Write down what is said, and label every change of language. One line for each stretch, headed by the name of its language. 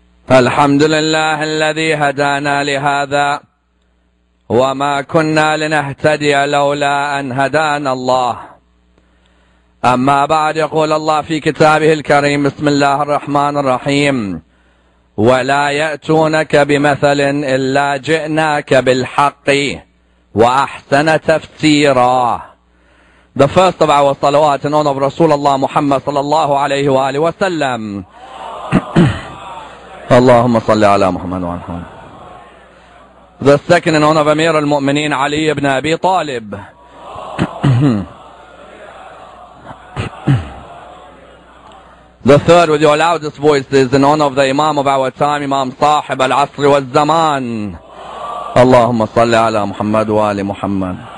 Arabic: الحمد لله الذي هدانا لهذا، وما كنا لنهتدي لولا أن هدانا الله. أما بعد، يقول الله في كتابه الكريم، بسم الله الرحمن الرحيم: ولا يأتونك بمثل إلا جئناك بالحق وأحسن تفسيرا.
English: The first of our salawat in honor of Rasulullah Muhammad
Arabic: صلى الله عليه وآله وسلم. اللهم صل على محمد وعلى محمد.
English: The second in honor of Amir al-Mu'mineen Ali ibn Abi Talib. The third with your loudest voices in honor of the Imam of our time, Imam Sahib al-Asr wal-Zaman.
Arabic: اللهم صل على محمد وعلى محمد.